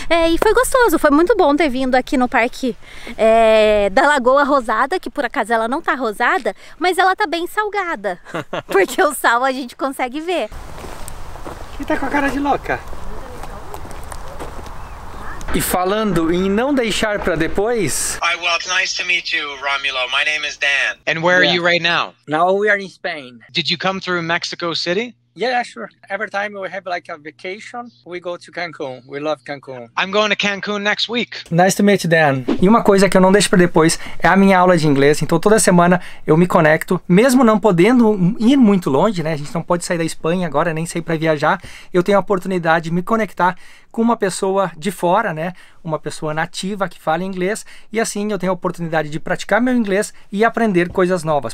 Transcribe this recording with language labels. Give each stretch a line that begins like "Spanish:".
Portuguese: É, e foi gostoso, foi muito bom ter vindo aqui no parque da Lagoa Rosada, que por acaso ela não tá rosada, mas ela tá bem salgada, porque o sal a gente consegue ver. E tá com a cara de louca. E falando em não deixar para depois.
English: Hi, well, it's nice to meet you, Romulo. My name is Dan. And where are you right now? Now we are in Spain. Did you come through Mexico City? Yeah, sure. Every time we have like a vacation, we go to Cancun. We love Cancun. I'm going to Cancun next week. Nice to meet you, Dan.
Portuguese: E uma coisa que eu não deixo para depois é a minha aula de inglês. Então, toda semana eu me conecto, mesmo não podendo ir muito longe, né? A gente não pode sair da Espanha agora, nem sair para viajar. Eu tenho a oportunidade de me conectar com uma pessoa de fora, né? Uma pessoa nativa que fala inglês. E assim eu tenho a oportunidade de praticar meu inglês e aprender coisas novas.